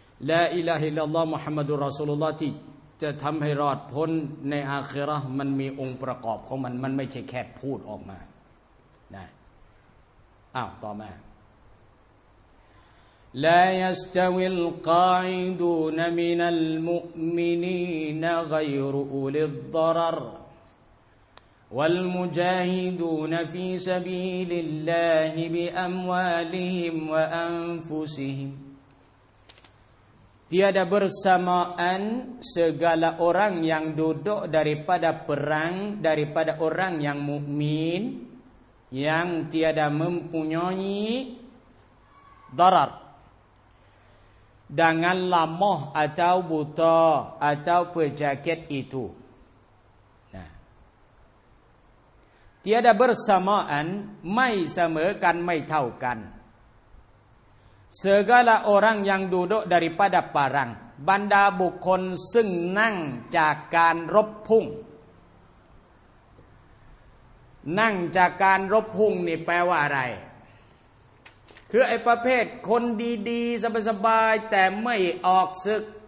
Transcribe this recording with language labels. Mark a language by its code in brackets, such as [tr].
[ar] ลาอิลาฮะอิลลัลลอฮ์มุฮัมมัดุรอซูลุลลอฮ์ [th] ที่จะทําให้รอดพ้นในอาคิเราะห์มันมีองค์ประกอบของมันไม่ใช่แค่พูดออกมานะอ้าวต่อมาลายัสตะวิลกออิดูนมินัลมุมินีนกอยรุลิดดอรร [ar] والمجاهدون في سبيل الله بأموالهم وأنفسهم [ms] tiada bersamaan segala orang yang duduk daripada perang daripada orang yang mukmin yang tiada mempunyai darar dengan lemah atau buta atau pejaket itu. Tiada bersamaan, [th] ไม่เสมอกันไม่เท่ากัน [ms] Segala orang yang duduk daripada perang [th] บรรดาบุคคลซึ่งนั่งจากการรบพุ่งนั่งจากการรบพุ่งนี่แปลว่าอะไรคือไอ้ประเภทคนดีๆสบายๆแต่ไม่ออกศึก